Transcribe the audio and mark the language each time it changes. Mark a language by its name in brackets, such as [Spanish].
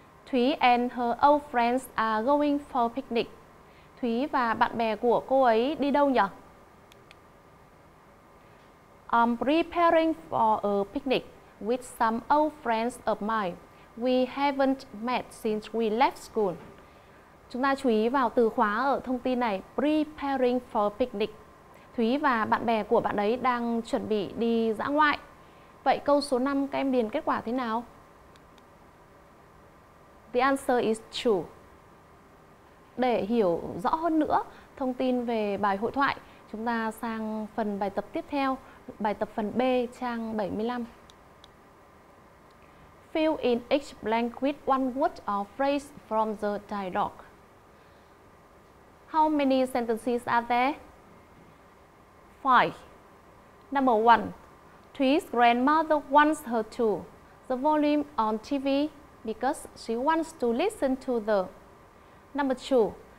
[English] Thúy and her old friends are going for picnic. [Vietnamese] Thúy và bạn bè của cô ấy đi đâu nhỉ? [English] I'm preparing for a picnic with some old friends of mine. We haven't met since we left school. [Vietnamese] Chúng ta chú ý vào từ khóa ở thông tin này. [English] Preparing for picnic. [Vietnamese] Thúy và bạn bè của bạn ấy đang chuẩn bị đi dã ngoại. Vậy câu số 5 các em điền kết quả thế nào? [English] The answer is true. [Vietnamese] Để hiểu rõ hơn nữa thông tin về bài hội thoại, chúng ta sang phần bài tập tiếp theo, bài tập phần B trang 75. [English] Fill in each blank with one word or phrase from the dialogue. How many sentences are there? 5. Number 1. Thúy's grandmother wants her to the volume on TV because she wants to listen to the. Number 2.